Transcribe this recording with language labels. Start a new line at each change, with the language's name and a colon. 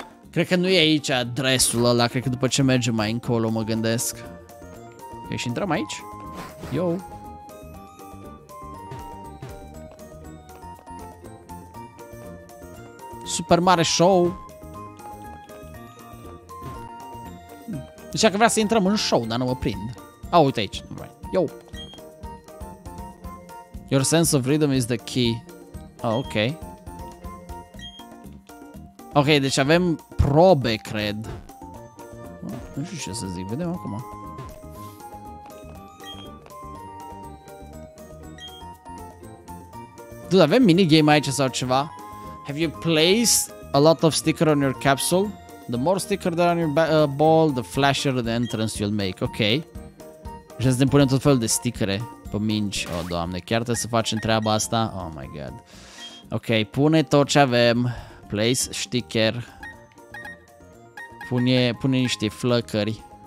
Romanian: Cred că nu e aici adresul ăla. Cred că după ce mergem mai încolo mă gândesc. Ok, și intrăm aici? Yo! Super mare show. Deci că vrea să intrăm în show, dar nu mă prind. Oh, uite aici. Yo.
English: Your sense of rhythm is the key. Oh, ok.
Romanian: Ok, deci avem probe, cred. Nu știu ce să zic, vedem acum. Dude, avem minigame aici sau ceva?
English: Have you placed a lot of sticker on your capsule? The more sticker there on your ball, the flasher the entrance you'll make. Ok.
Romanian: Și să ne punem tot felul de stickere pe minci. Oh, doamne, chiar trebuie să facem treaba asta?
English: Oh my god. Ok,
Romanian: pune tot ce avem.
English: Place sticker.
Romanian: Pune niște flăcări.